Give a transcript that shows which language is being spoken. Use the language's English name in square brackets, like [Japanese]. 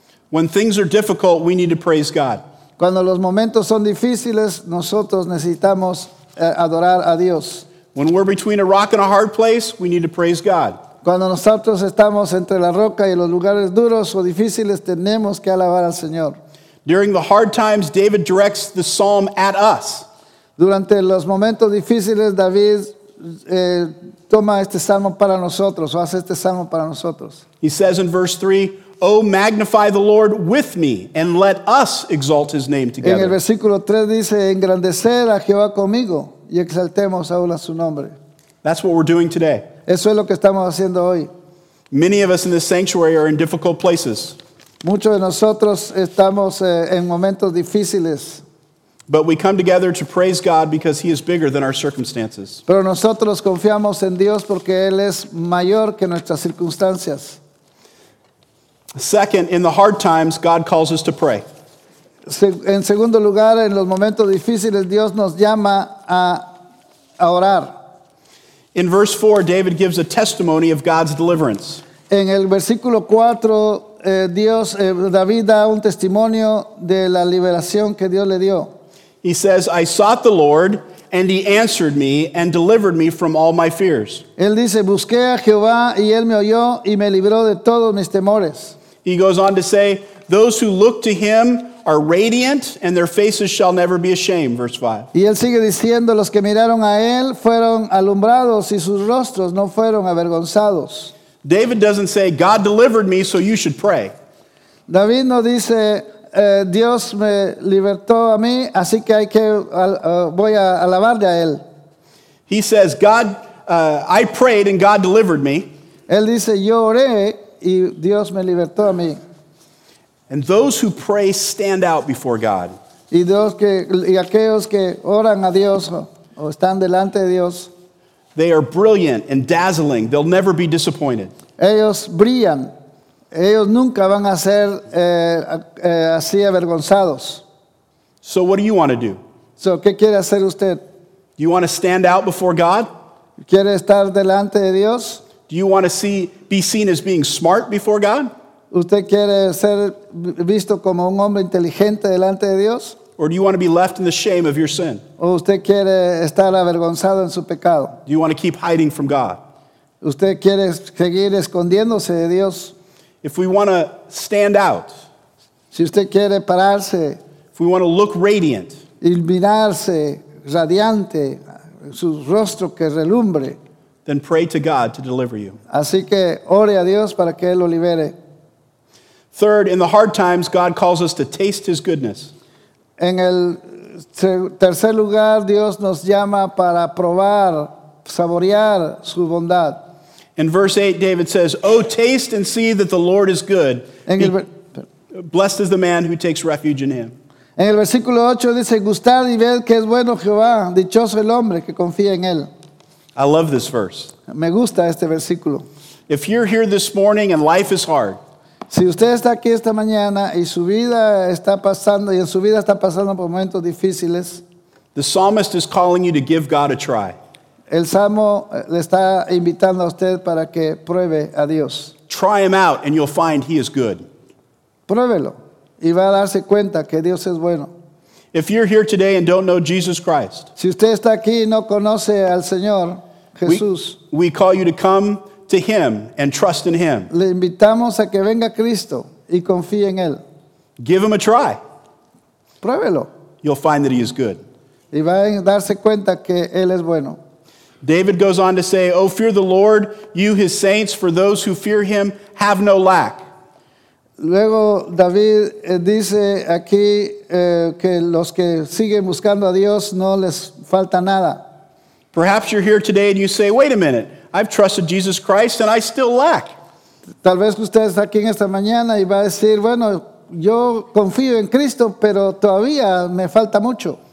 [English] When things are difficult, we need to praise God. [Spanish] Cuando los momentos son difíciles, nosotros necesitamos adorar a Dios. [English] When we're between a rock and a hard place, we need to praise God. [Spanish] Cuando nosotros estamos entre la roca y los lugares duros o difíciles, tenemos que alabar al Señor. [English] During the hard times, David directs the psalm at us. [Spanish] Durante los momentos difíciles, David toma este salmo para nosotros, o hace este salmo para nosotros. [English] He says in verse 3, "Oh, magnify the Lord with me, and let us exalt His name together." [Spanish] En el versículo 3 dice, "Engrandecer a Jehová conmigo, y exaltemos aún a su nombre." [English] That's what we're doing today. [Spanish] Eso es lo que estamos haciendo hoy. [English] Many of us in this sanctuary are in difficult places. [Spanish] Muchos de nosotros estamos en momentos difíciles. [English] But we come together to praise God because He is bigger than our circumstances. [Spanish] Pero nosotros confiamos en Dios porque Él es mayor que nuestras circunstancias. [English] Second, in the hard times, God calls us to pray. [Spanish] En segundo lugar, en los momentos difíciles, Dios nos llama a orar. [English] In verse 4, David gives a testimony of God's deliverance. [Spanish] En el versículo 4, David da un testimonio de la liberación que Dios le dio. [English] He says, "I sought the Lord, and He answered me and delivered me from all my fears." [Spanish] Él dice, "Busqué a Jehová y Él me oyó y me libró de todos mis temores." [English] He goes on to say, "Those who look to Him are radiant, and their faces shall never be ashamed." Verse 5. [Spanish] Y él sigue diciendo, "Los que miraron a Él fueron alumbrados y sus rostros no fueron avergonzados." [English] David doesn't say, "God delivered me, so you should pray." [Spanish] David no dice, "Dios me libertó a mí, así que hay que voy a alabarle a Él." [English] He says, "God, I prayed and God delivered me." [Spanish] Él dice, "Yo oré y Dios me libertó a mí." [English] And those who pray stand out before God. [Spanish] Y aquellos que oran a Dios o están delante de Dios. [English] They are brilliant and dazzling. They'll never be disappointed. [Spanish] Ellos brillan. Ellos nunca van a ser así avergonzados. [English] So what do you want to do? [Spanish] So, ¿qué quiere hacer usted? [English] Do you want to stand out before God? [Spanish] ¿Quiere estar delante de Dios? [English] Do you want to be seen as being smart before God? [Spanish] ¿Usted quiere ser visto como un hombre inteligente delante de Dios? [English] Or do you want to be left in the shame of your sin? [Spanish] ¿O usted quiere estar avergonzado en su pecado? [English] Do you want to keep hiding from God? [Spanish] ¿Usted quiere seguir escondiéndose de Dios? [English] If we want to stand out, [Spanish] si usted quiere pararse, [English] if we want to look radiant, [Spanish] y mirarse radiante, su rostro que relumbre, [English] then pray to God to deliver you. [Spanish] Así que ore a Dios para que Él lo libere. [English] Third, in the hard times, God calls us to taste His goodness. [Spanish] En el tercer lugar, Dios nos llama para probar, saborear su bondad. [English] In verse 8, David says, "Oh, taste and see that the Lord is good. Blessed is the man who takes refuge in Him." [Spanish] En el versículo 8 dice, "Gustad y ved que es bueno Jehová, dichoso el hombre que confía en Él." [English] I love this verse. [Spanish] Me gusta este versículo. [English] If you're here this morning and life is hard, [Spanish] si usted está aquí esta mañana y su vida está pasando, y en su vida está pasando por momentos difíciles, [English] the psalmist is calling you to give God a try. [Spanish] El Salmo le está invitando a usted para que pruebe a Dios. [English] Try Him out and you'll find He is good. [Spanish] Pruébelo y va a darse cuenta que Dios es bueno. [English] If you're here today and don't know Jesus Christ, [Spanish] si usted está aquí y no conoce al Señor Jesús, [English] we call you to come to Him and trust in Him. [Spanish] Le invitamos a que venga Cristo y confíe en Él. [English] Give Him a try. [Spanish] Pruébelo. [English] You'll find that He is good. [Spanish] Y va a darse cuenta que Él es bueno. [English] David goes on to say, "Oh, fear the Lord, you his saints, for those who fear him have no lack." [Spanish] Luego David dice aquí que los que siguen buscando a Dios no les falta nada. [English] Perhaps you're here today and you say, "Wait a minute, I've trusted Jesus Christ and I still lack." [Spanish] Tal vez usted está aquí en esta mañana y va a decir, bueno, yo confío en Cristo, pero todavía me falta mucho.